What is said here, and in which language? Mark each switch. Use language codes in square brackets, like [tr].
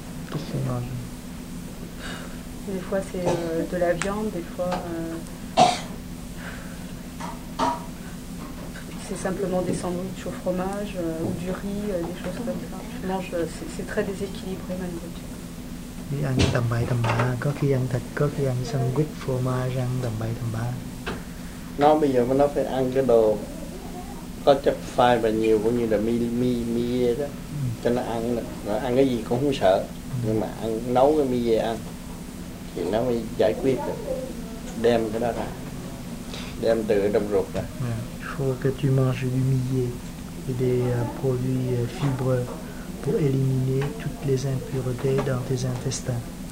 [fr] Qu'est-ce que tu manges? Des fois, c'est de la viande, des fois. C'est simplement des sandwichs au fromage, ou du riz, des choses comme ça. Je mange, c'est très déséquilibré ma nourriture. [vi] Đi ăn tầm bậy tầm bạ, có khi ăn thịt, có khi ăn sandwich, phô mai, răng tầm bậy tầm bạ. Nó bây giờ nó phải ăn cái đồ có chất phai và nhiều cũng như là mi đó. Cho nó ăn, nó ăn cái gì cũng không sợ. Nhưng mà ăn nấu cái mi về ăn thì nó mới giải quyết được. Đem cái đó ra, đem từ trong ruột ra. [fr] Que tu manges du millet et des produits fibreux pour éliminer toutes les impuretés dans tes intestins.